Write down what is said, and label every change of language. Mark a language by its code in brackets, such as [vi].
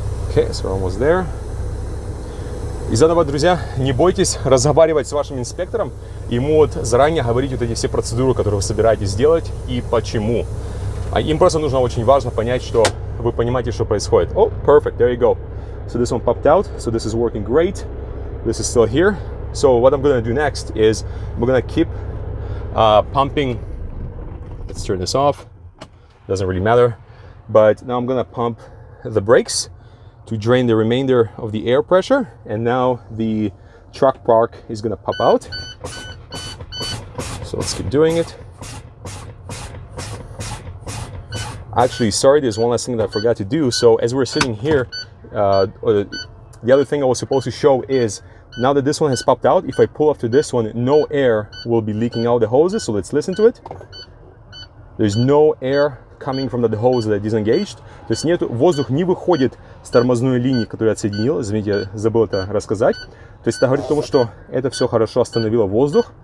[en] Okay, so we're almost there. [ru] И заново, друзья, не бойтесь разговаривать с вашим инспектором. Ему вот заранее говорить вот эти все процедуры, которые вы собираетесь делать и почему. Им просто нужно очень важно понять, что вы понимаете, что происходит. [en] Oh, perfect, there you go. So this one popped out, so this is working great. This is still here. So what I'm gonna do next is we're gonna keep pumping. Let's turn this off. Doesn't really matter. But now I'm gonna pump the brakes to drain the remainder of the air pressure. And now the truck park is gonna pop out. So let's keep doing it. Actually, sorry, there's one last thing that I forgot to do. So as we're sitting here, the other thing I was supposed to show is now that this one has popped out, if I pull up to this one, no air will be leaking out the hoses. So let's listen to it. There's no air coming from the hose that is engaged. [ru] То есть нет, воздух не выходит с тормозной линии, которую я отсоединил. Извините, я забыл это рассказать. То есть это говорит о том, что это все хорошо остановило воздух.